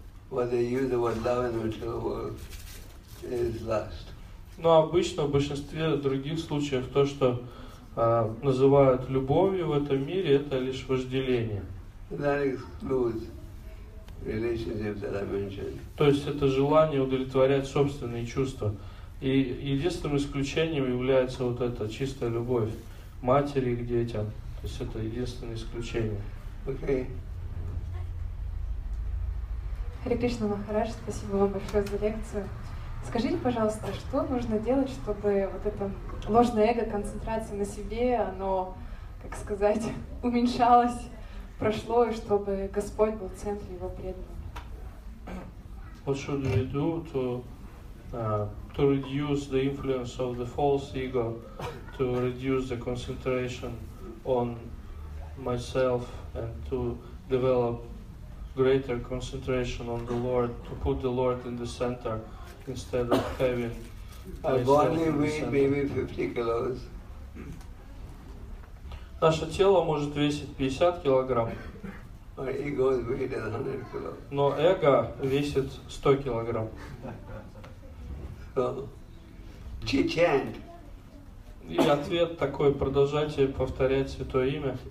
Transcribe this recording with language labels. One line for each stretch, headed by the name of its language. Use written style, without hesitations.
English: What they use the word love in the material world is lust.
Russian: Но обычно в большинстве других случаев то, что называют любовью в этом мире, это лишь вожделение.
English: That excludes relationships that I mentioned.
Russian: То есть это желание удовлетворять собственные чувства. И единственным исключением является вот эта чистая любовь матери к детям. То есть это единственное исключение. Okay. Харе Кришна Махарадж, спасибо вам большое за лекцию. Скажите, пожалуйста, что нужно делать, чтобы вот это ложное эго, концентрация на себе, оно, как сказать, уменьшалось, прошло, и чтобы Господь был в центре его преданного?
English: What should we do to reduce the influence of the false ego, to reduce the concentration on myself and to develop greater concentration on the Lord, to put the Lord in the center instead of having a body weight maybe 50 kilos.
Russian: Наше тело может весить 50 килограмм.
English: Our ego is weighed 100 kilos.
Russian: Но эго весит 100 килограмм.
English: So, chant.
Russian: И ответ такой, продолжайте повторять святое имя.